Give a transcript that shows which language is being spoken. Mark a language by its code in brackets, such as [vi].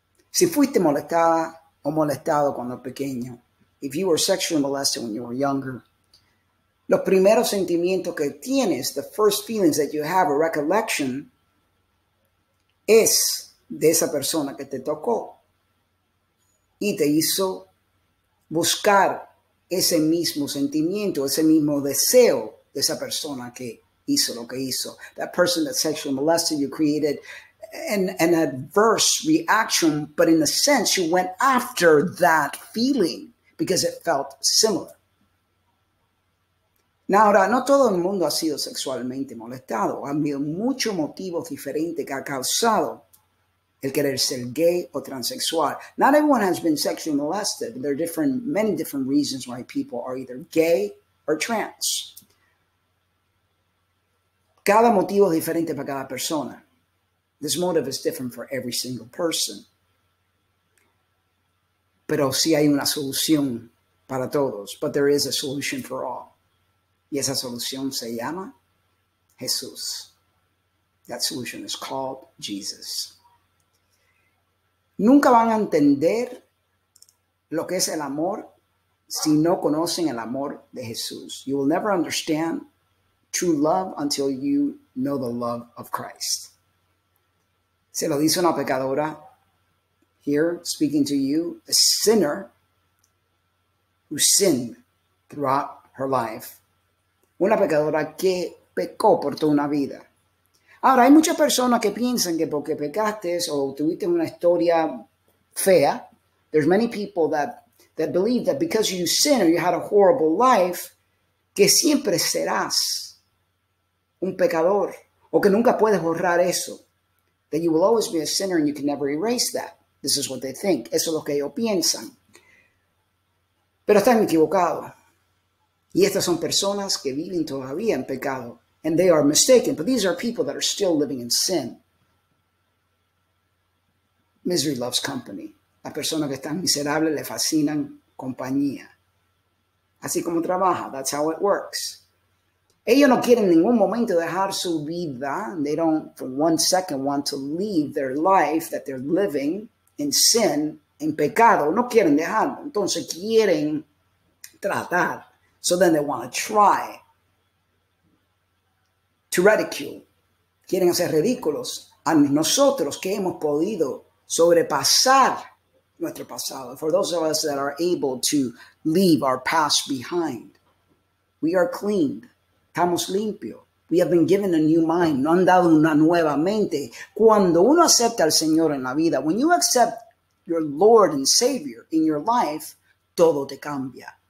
[es] Si fuiste molestada o molestado cuando pequeño, [en] if you were sexually molested when you were younger, [es] los primeros sentimientos que tienes, [en] the first feelings that you have a recollection, [es] es de esa persona que te tocó y te hizo buscar ese mismo sentimiento, ese mismo deseo de esa persona que hizo lo que hizo. [en] That person that sexually molested you created an adverse reaction, but in a sense, you went after that feeling because it felt similar. Now, [es] ahora, no todo el mundo ha sido sexualmente molestado. Ha habido muchos motivos diferentes que ha causado el querer ser gay o transexual. [en] Not everyone has been sexually molested. There are different, many different reasons why people are either gay or trans. [es] Cada motivo es diferente para cada persona. [en] This motive is different for every single person. [es] Pero sí hay una solución para todos. [en] But there is a solution for all. [es] Y esa solución se llama Jesús. [en] That solution is called Jesus. [es] Nunca van a entender lo que es el amor si no conocen el amor de Jesús. [en] You will never understand true love until you know the love of Christ. [es] Se lo dice una pecadora [en] here speaking to you, a sinner who sinned throughout her life. [es] Una pecadora que pecó por toda una vida. Ahora, hay muchas personas que piensan que porque pecaste o tuviste una historia fea, [en] there's many people that believe that because you sin or you had a horrible life, [es] que siempre serás un pecador, o que nunca puedes borrar eso [en] that you will always be a sinner and you can never erase that. This is what they think. [es] Eso es lo que ellos piensan. Pero están equivocados. Y estas son personas que viven todavía en pecado. [en] And they are mistaken. But these are people that are still living in sin. Misery loves company. [es] Las personas que están miserables le fascinan compañía. Así como trabaja. [en] That's how it works. [es] Ellos no quieren en ningún momento dejar su vida. [en] They don't for one second want to leave their life that they're living in sin, [es] en pecado. No quieren dejarlo. Entonces quieren tratar. [en] So then they want to try to ridicule. [es] Quieren hacer ridículos a nosotros que hemos podido sobrepasar nuestro pasado. [en] For those of us that are able to leave our past behind, we are cleaned. [es] Estamos limpios. [en] We have been given a new mind. [es] Nos han dado una nueva mente. Cuando uno acepta al Señor en la vida, [en] when you accept your Lord and Savior in your life, [es] todo te cambia.